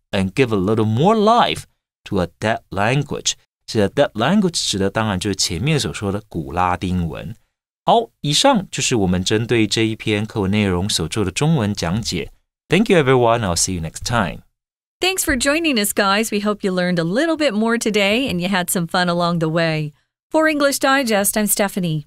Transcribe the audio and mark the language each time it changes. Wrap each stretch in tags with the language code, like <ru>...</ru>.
<en>and give a little more life to a dead language.</en> <zh>这个 dead language 指的当然就是前面所说的古拉丁文。好，以上就是我们针对这一篇课文内容所做的中文讲解。</zh> <en>Thank you, everyone. I'll see you next time. Thanks for joining us, guys. We hope you learned a little bit more today and you had some fun along the way. For English Digest, I'm Stephanie.</en>